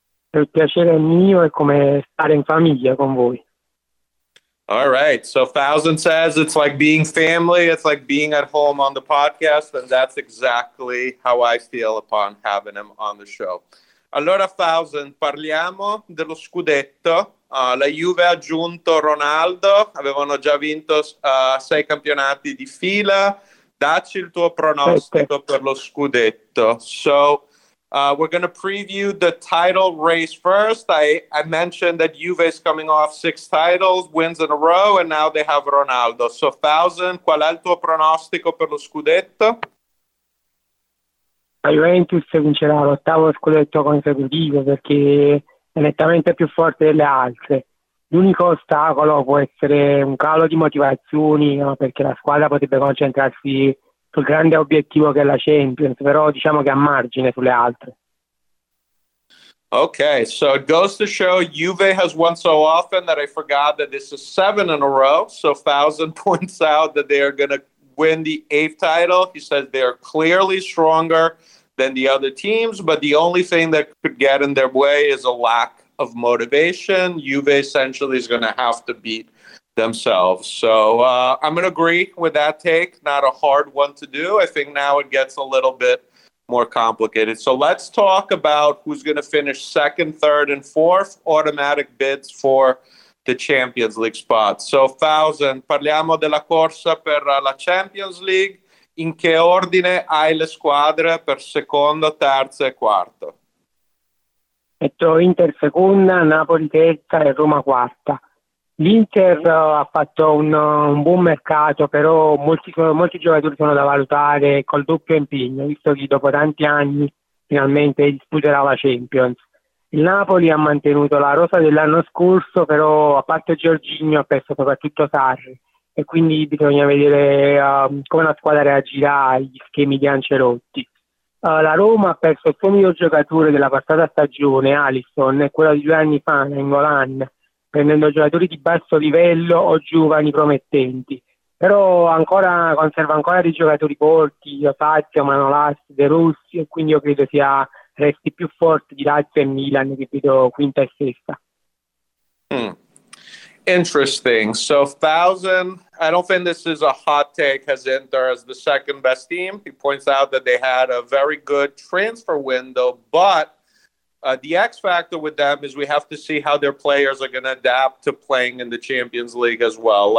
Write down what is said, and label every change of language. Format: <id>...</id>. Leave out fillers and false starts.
<it>Il piacere è mio, è come stare in famiglia con voi.</it> <en>All right. So Thousand says it's like being family. It's like being at home on the podcast, and that's exactly how I feel upon having him on the show.</en> <it>Allora, Thousand, parliamo dello Scudetto. La Juve ha aggiunto Ronaldo, avevano già vinto 6 campionati di fila. Dacci il tuo pronostico per lo Scudetto.</it> <en>So, we're going to preview the title race first. I mentioned that Juve is coming off 6 titles, wins in a row, and now they have Ronaldo.</en> <it>So, Thousand, qual è il tuo pronostico per lo Scudetto? La Juventus vincerà l'ottavo scudetto consecutivo perché è nettamente più forte delle altre. L'unico ostacolo può essere un calo di motivazioni, no? Perché la squadra potrebbe concentrarsi sul grande obiettivo che è la Champions, però diciamo che a margine sulle altre.</it> <en>Okay, so it goes to show Juve has won so often that I forgot that this is 7 in a row. So Fausen points out that they are going to win the 8th title. He says they are clearly stronger than the other teams, but the only thing that could get in their way is a lack of motivation. Juve essentially is going to have to beat themselves. So I'm going to agree with that take. Not a hard one to do. I think now it gets a little bit more complicated. So let's talk about who's going to finish second, third, and fourth automatic bids for the Champions League spot.</en> <it>So, Fausen, parliamo della corsa per la Champions League. In che ordine hai le squadre per secondo, terzo e quarto? Metto Inter seconda, Napoli terza e Roma quarta. L'Inter ha fatto un buon mercato, però molti giocatori sono da valutare col doppio impegno, visto che dopo tanti anni finalmente disputerà la Champions. Il Napoli ha mantenuto la rosa dell'anno scorso, però a parte Jorginho ha perso soprattutto Sarri, e quindi bisogna vedere come la squadra reagirà agli schemi di Ancelotti. La Roma ha perso il suo miglior giocatore della passata stagione, Alisson, e quello di 2 anni fa, Nainggolan, prendendo giocatori di basso livello o giovani promettenti. Però ancora conserva ancora dei giocatori forti, Osasio, Manolas, De Rossi, e quindi io credo sia resti più forte di Lazio e Milan, che vedo quinta e sesta.</it> <en>Interesting. So, Fausen, I don't think this is a hot take, as Inter as the second best team. He points out that they had a very good transfer window, but the X factor with them is we have to see how their players are going to adapt to playing in the Champions League as well.</en>